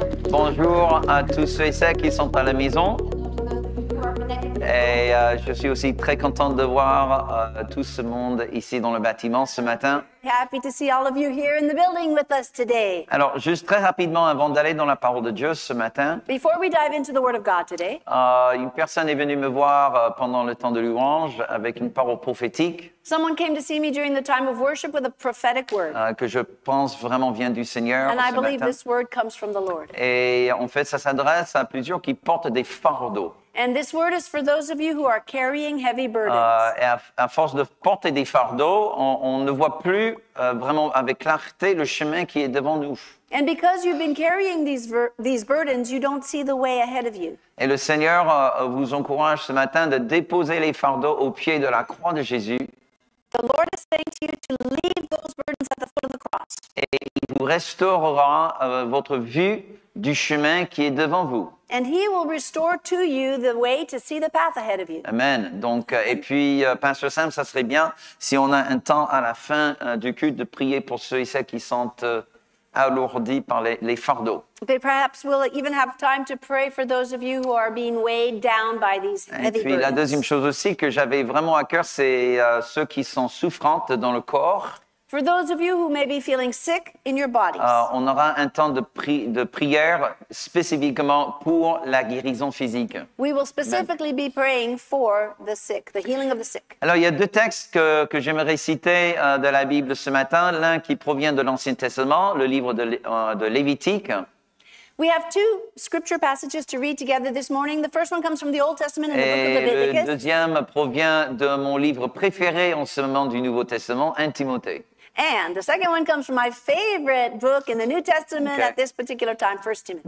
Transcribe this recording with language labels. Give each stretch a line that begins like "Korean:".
French: Bonjour à tous ceux et celles qui sont à la maison. Et je suis aussi très content de voir tout ce monde ici dans le bâtiment ce matin.
English: Happy to see all of you here in the building with us today.
French: Alors, juste très rapidement, avant d'aller dans la parole de Dieu ce matin,
English: before we dive into the word of God today,
French: une personne est venue me voir pendant le temps de louange avec une parole prophétique.
English: Someone came to see me during the time of worship with a prophetic word.
French: Que je pense vraiment vient du Seigneur.
English: And I believe this word comes from the Lord.
French: Et en fait, ça s'adresse à plusieurs qui portent des fardeaux.
English: And this word is for those of you who are carrying heavy burdens.
French: À force de porter des fardeaux, on ne voit plus vraiment avec clarté le chemin qui est devant nous.
English: And because you've been carrying these burdens, you don't see the way ahead of you.
French: Et le Seigneur vous encourage ce matin de déposer les fardeaux au pied de la croix de Jésus.
English: The Lord is saying to you to leave those burdens at the foot of the cross.
French: Et il vous restaurera votre vue du chemin qui est devant vous.
English: And he will restore to you the way to see the path ahead of you. Amen.
French: Donc, et puis, Pasteur Sam, ça serait bien si on a un temps à la fin du culte de prier pour ceux et celles qui sont alourdis par les fardeaux.
English: But perhaps we'll even have time to pray for those of you who are being weighed down by these heavy burdens.
French: Et puis, la deuxième chose aussi que j'avais vraiment à cœur, c'est ceux qui sont souffrantes dans le corps.
English: For those of you who may be feeling sick in your bodies.
French: On aura un temps de prière spécifiquement pour la guérison physique.
English: We will specifically be praying for the sick, the healing of the sick.
French: Alors, il y a deux textes que j'aimerais citer de la Bible ce matin. L'un qui provient de l'Ancien Testament, le livre de Lévitique.
English: We have two scripture passages to read together this morning. The first one comes from the Old Testament in the
French: Et
English: book of Leviticus.
French: Le deuxième provient de mon livre préféré en ce moment du Nouveau Testament, 1 Timothée.
English: And the second one comes from my favorite book in the New Testament at this particular time, 1 Timothy.